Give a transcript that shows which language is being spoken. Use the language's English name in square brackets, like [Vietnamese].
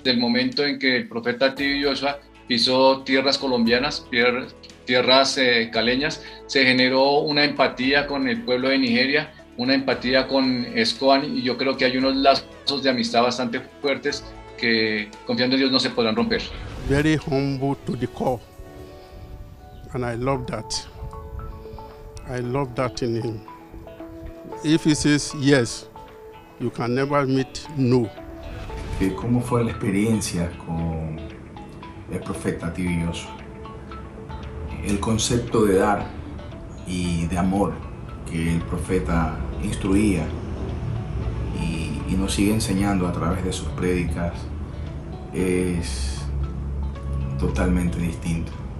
[Spanish] Del momento en que el profeta Tibi Joshua pisó tierras colombianas, tierras caleñas, se generó una empatía con el pueblo de Nigeria, una empatía con Escoan, y yo creo que hay unos lazos de amistad bastante fuertes que, confiando en Dios, no se podrán romper. [English] Very humble to the core, and I love that. I love that in him. If he says yes, you can never meet no. [Spanish] ¿Cómo fue la experiencia con el profeta Tibioso? El concepto de dar y de amor que el profeta instruía y nos sigue enseñando a través de sus prédicas es totalmente distinto.